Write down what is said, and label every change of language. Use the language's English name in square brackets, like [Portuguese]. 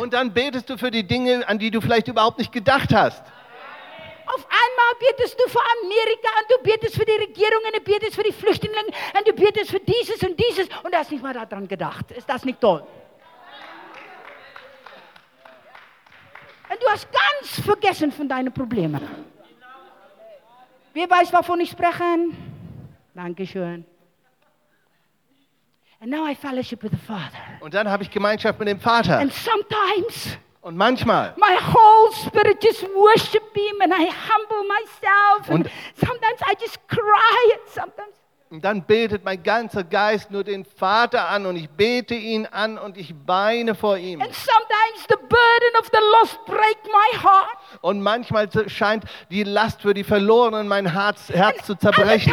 [German] Und dann betest du für die Dinge, an die du vielleicht überhaupt nicht gedacht hast. Auf einmal betest du für Amerika und du betest für die Regierung und du betest für die Flüchtlinge und du betest für dieses und dieses und du hast nicht mal daran gedacht. Ist das nicht toll? Und du hast ganz vergessen von deinen Problemen. Wer weiß, wovon ich spreche? Dankeschön. [English] And now I fellowship with the Father. [German] Und dann habe ich Gemeinschaft mit dem Vater. [English] And sometimes. [German] Und manchmal. [English] My whole spirit just worship him and I humble myself. [German] Und [English] sometimes I just cry. Sometimes. [German] Und dann betet mein ganzer Geist nur den Vater an und ich bete ihn an und ich weine vor ihm. [English] And sometimes the burden of the lost break my heart. [German] Und manchmal scheint die Last für die Verlorenen mein Herz zu zerbrechen.